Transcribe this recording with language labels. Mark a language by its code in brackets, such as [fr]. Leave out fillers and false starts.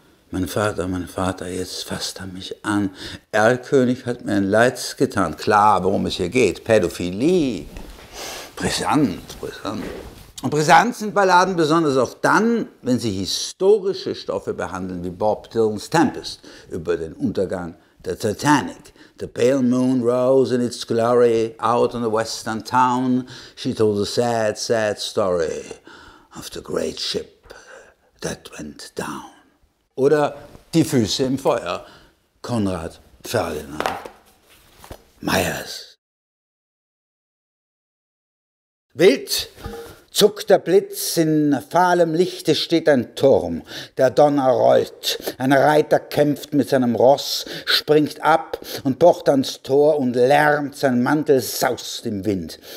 [de] Mein Vater, jetzt fasst er mich an. Erlkönig hat mir ein Leid getan. Klar, worum es hier geht, Pädophilie. Brisant, brisant. Und brisant sind Balladen besonders auch dann, wenn sie historische Stoffe behandeln, wie Bob Dylans Tempest über den Untergang der Titanic. [en] The pale moon rose in its glory out on the western town. She told a sad, sad story of the great ship that went down. [de] Oder Die Füße im Feuer, Konrad Ferdinand Meyers. Wild Zuckt der Blitz, in fahlem Lichte steht ein Turm, der Donner rollt, ein Reiter kämpft mit seinem Ross, springt ab und pocht ans Tor und lärmt, sein Mantel saust im Wind.